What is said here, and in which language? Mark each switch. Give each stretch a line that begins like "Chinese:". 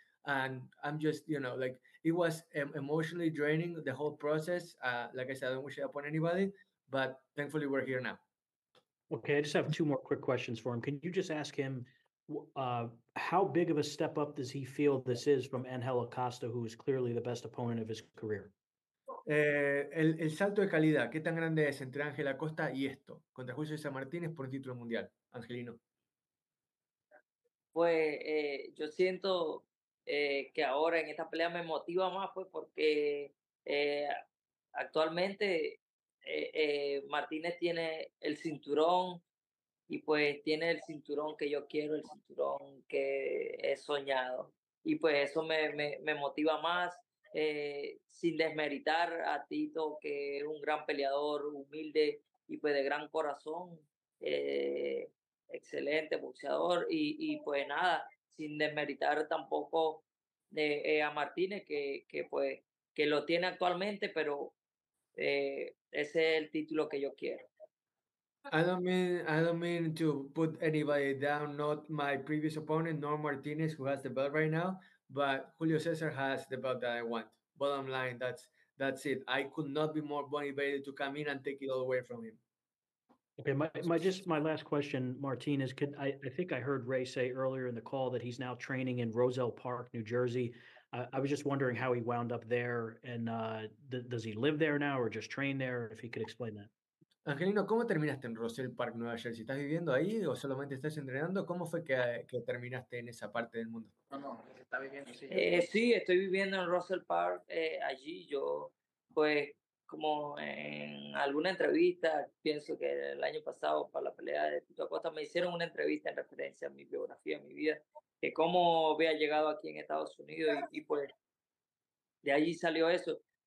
English: And I'm just, you know, like, it was emotionally draining, the whole process. Like I said, I don't wish it upon anybody, but thankfully we're here now. Okay, I just have two more quick questions for him. Can you just ask him, how big of a step up does he feel this is from Angel Acosta, who is clearly the best opponent of his career?
Spanish: El salto de calidad, ¿qué tan grande es entre Ángel Acosta y esto? Contra Julio César Martínez por un título mundial, Angelino. Pues yo siento que ahora en esta pelea me motiva más, pues, porque actualmente Martínez tiene el cinturón y pues tiene el cinturón que yo quiero, el cinturón que he soñado. Y pues eso me motiva más. Sin desmeritar a Tito, que es un gran peleador, humilde y pues de gran corazón, excelente boxeador, y pues nada, sin desmeritar tampoco a Martínez, que pues que lo tiene actualmente, pero ese es el título que yo quiero.
English: I don't mean to put anybody down, not my previous opponent, nor Martínez, who has the belt right now. But Julio César has the belt that I want. Bottom line, that's it. I could not be more motivated to come in and take it all away from him. Okay, my last question, Martínez. I think I heard Ray say earlier in the call that he's now training in Roselle Park, New Jersey. I was just wondering how he wound up there, and does he live there now or just train there? If he could explain that.
Spanish: Angelino, ¿cómo terminaste en Roselle Park, Nueva Jersey? ¿Estás viviendo ahí o solamente estás entrenando? ¿Cómo fue que terminaste en esa parte del mundo? No, está viviendo, sí. Sí, estoy viviendo en Roselle Park, allí. Yo, pues, como en alguna entrevista, pienso que el año pasado para la pelea de Tito Acosta, me hicieron una entrevista en referencia a mi biografía, a mi vida, de cómo había llegado aquí en Estados Unidos, y pues de allí salió eso.